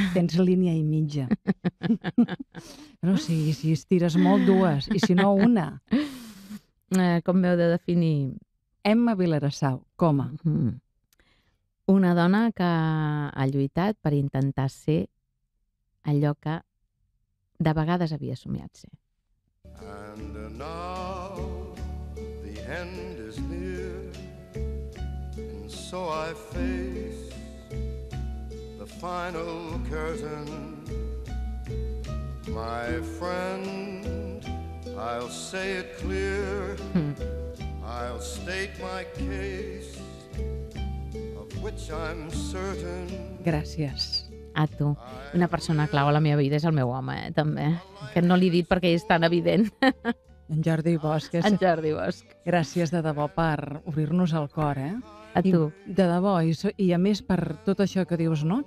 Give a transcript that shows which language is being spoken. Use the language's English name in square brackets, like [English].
[Catalan] Tens línia i mitja. Però sí, si estires molt, dues. I si no, una. Com m'heu de definir? Emma Vilarassau, coma. Una dona que ha lluitat per intentar ser allò que de vegades havia somiat ser. [English] And now the end is near, and so I face the final curtain. My friend, I'll say it clear, I'll state my case. Which I'm certain. [Catalan] Gràcies. A tu. Una persona clau a la meva vida és el meu home, també. Que no l'he dit perquè és tan evident. En Jordi Bosch. En Jordi Bosch. Gràcies de debò per obrir-nos el cor, eh? A tu. I de debò. I a més per tot això que dius, no?